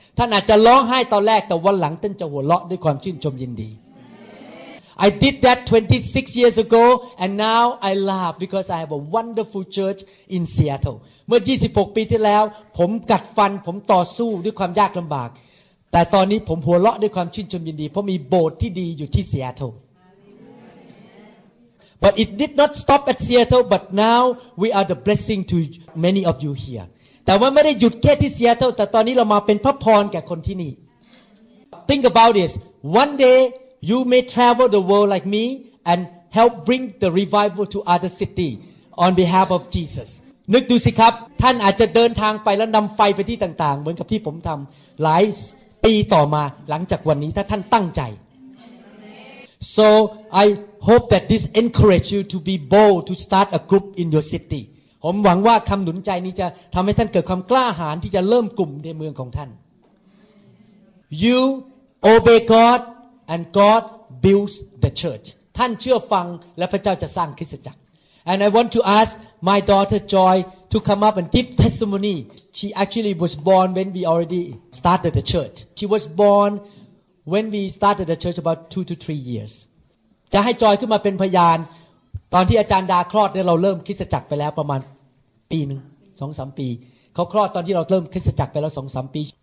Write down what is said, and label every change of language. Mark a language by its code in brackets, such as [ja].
[th] ท่านอาจจะร้องไห้ตอนแรกแต่วันหลังท่านจะหัวเราะด้วยความชื่นชมยินดี [en] I did that 26 years ago, and now I laugh because I have a wonderful church in Seattle. [th] เมื่อ26ปีที่แล้วผมกัดฟันผมต่อสู้ด้วยความยากลำบากแต่ตอนนี้ผมหัวเราะด้วยความชื่นชมยินดีเพราะมีโบสถ์ที่ดีอยู่ที่ Seattle. [en] But it did not stop at Seattle, but now we are the blessing to many of you here. [th] แต่ว่าไม่ได้หยุดแค่ที่ Seattle แต่ตอนนี้เรามาเป็นพระพรแก่คนที่นี่ [en] Think about this. One day you may travel the world like me and help bring the revival to other city on behalf of Jesus. [th] นึกดูสิครับท่านอาจจะเดินทางไปแล้วนำไฟไปที่ต่างๆเหมือนกับที่ผมทำหลายปีต่อมาหลังจากวันนี้ถ้าท่านตั้งใจ [en] So I hope that this encourage you to be bold to start a group in your city. [th] ผมหวังว่าคำหนุนใจนี้จะทำให้ท่านเกิดความกล้าหาญที่จะเริ่มกลุ่มในเมืองของท่าน [en] You obey God and God builds the church. [th] ท่านเชื่อฟังและพระเจ้าจะสร้างคริสตจักร [en] And I want to ask my daughter Joy to come up and give testimony. She actually was born when we already started the church. She was bornWhen we started the church about 2 to 3 years, [th] จะให้จอยขึ้นมาเป็นพยานตอนที่อาจารย์ดาคลอดเนี่ยเราเริ่มคริสตจักรไปแล้วประมาณปีนึง 2-3 ปีเขาคลอดตอนที่เราเริ่มคริสตจักรไปแล้ว 2-3 ปี